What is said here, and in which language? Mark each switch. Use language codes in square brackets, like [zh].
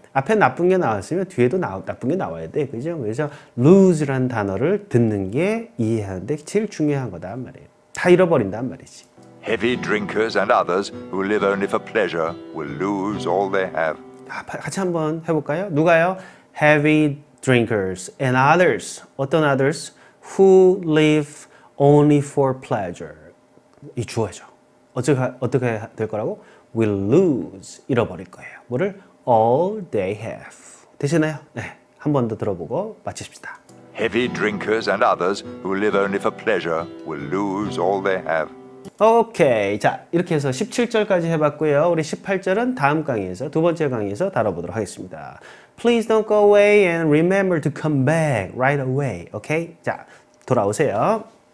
[ko] 앞에 나쁜 게 나왔으면 뒤에도 나쁜 게 나와야 돼, 그죠? 그래서 lose란 단어를 듣는 게 이해하는 데 제일 중요한 거다, 말이에요. 다 잃어버린단 말이지. [en] Heavy drinkers and others who live only for pleasure will lose all they have. [ko] 같이 한번 해볼까요? 누가요? [en] Heavy drinkers and others. [ko] 어떤 others? [en] Who live only for pleasure. [ko] 이 주어죠. 어떻게 될 거라고? [en] Will lose. [ko] 잃어버릴 거예요. 뭐를? [en] All they have. [ko] 되시나요? 네. 한 번 더 들어보고 마칩시다. [en] Heavy drinkers and others who live only for pleasure will lose all they have. 오케이. [ko] 자, 이렇게 해서 17절까지 해봤고요. 우리 18절은 다음 강의에서, 두 번째 강의에서 다뤄보도록 하겠습니다. [en] Please don't go away and remember to come back right away. [ko] 오케이? 자, 돌아오세요.